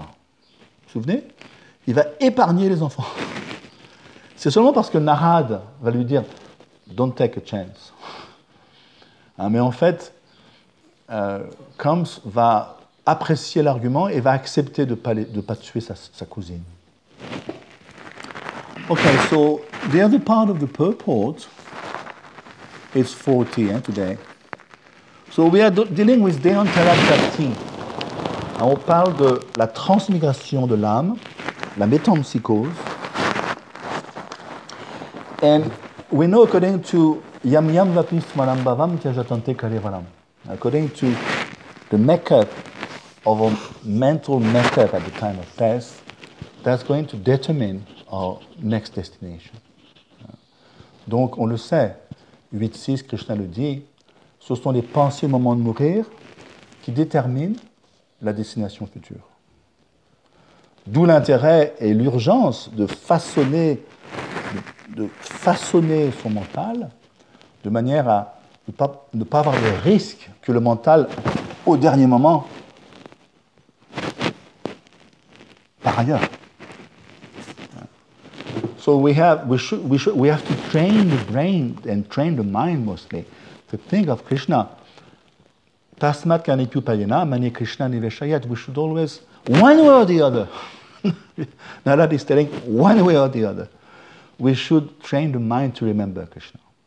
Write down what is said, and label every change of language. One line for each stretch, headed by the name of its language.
French: Vous souvenez ? Il va épargner les enfants. C'est seulement parce que Narad va lui dire «
English: Don't take a chance.
French: Hein, » Mais en fait, Kam va apprécier l'argument et va accepter de ne pas tuer sa cousine.
English: Ok, so the other part of the purport is 40 today. So we are dealing with Deontarakti.
French: On parle de la transmigration de l'âme, la métempsychose.
English: And we know according to
Sanskrit: Yam Yam Vapis Malam Bhavam Tyajatante Karevalam,
English: according to the makeup of our mental makeup at the time of death, that's going to determine our next destination.
French: Donc on le sait, 8.6, Krishna le dit, ce sont les pensées au moment de mourir qui déterminent la destination future. D'où l'intérêt et l'urgence de façonner son mental de manière à ne pas avoir le risque que le mental, au dernier moment, par ailleurs.
English: So we have to train the brain and train the mind mostly to think of Krishna.
Sanskrit: Tasmat kanipyu payena, mani Krishna niveshayat.
English: We should always, one way or the other. Narada is telling, one way or the other. We should train the mind to remember Krishna.